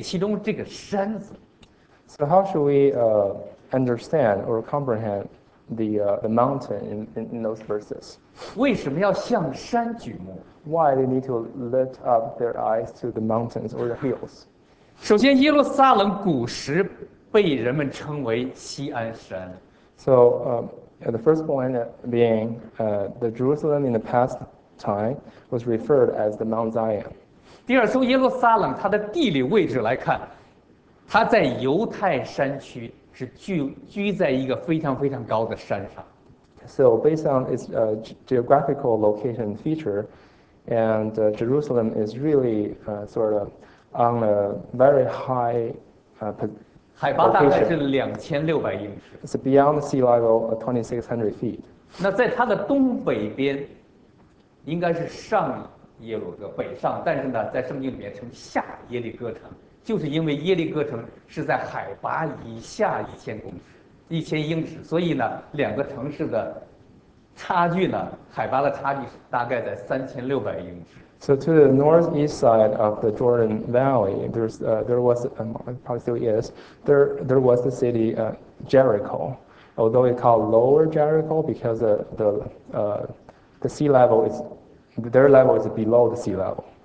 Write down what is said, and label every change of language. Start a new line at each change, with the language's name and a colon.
Chinese: 我们怎么样来理解我要向山举目？这其中这个山字。
English: So how should we understand or comprehend the mountain in those verses?
Chinese: 为什么要向山举目？
English: Why they need to lift up their eyes to the mountains or the hills?
Chinese: 首先，耶路撒冷古时被人们称为西安山。
English: So the first point being, the Jerusalem in the past time was referred as the Mount Zion.
Chinese: 第二，从耶路撒冷它的地理位置来看，它在犹太山区，是居在一个非常非常高的山上。
English: So based on its geographical location feature. And Jerusalem is really sort of on a very high location. It's beyond the sea level of 2,600 feet.
Chinese: 那在它的东北边，应该是上耶路撒冷，但是呢，在圣经里面称下耶利哥城，就是因为耶利哥城是在海拔以下1000公尺，1000英尺，所以呢，两个城市的差距呢，海拔的差距大概在3600英尺。
English: So to the northeast side of the Jordan Valley, there was the city Jericho, although it's called Lower Jericho because the sea level is their level is below the sea level.